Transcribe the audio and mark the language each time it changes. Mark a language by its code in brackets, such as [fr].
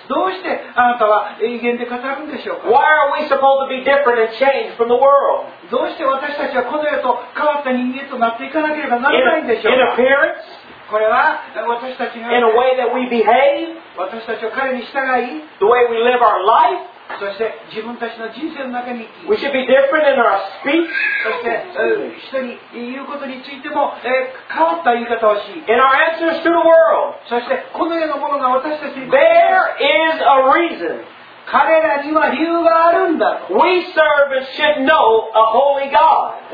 [ja] どうしてあなたは異言で語るんでしょうか? [en] Why are we supposed to be different and changed from the world? [ja] どうして私たちはこの世と変わった人間となっていかなければならないんでしょうか? [en] In appearance? [ja] これは私たちが [en] In a way that we behave? [ja] 私たちは彼に従い [en] The way we live our life? [ja] そして自分たちの人生の中に [en] We should be different in our speech. [ja] そして人に言うことについても、変わった言い方をし [en] In our answers to the world. [ja] そしてこの世のものが私たちに [en] There is a reason. [ja] 彼らには理由があるんだ [en] We servants should know a holy God.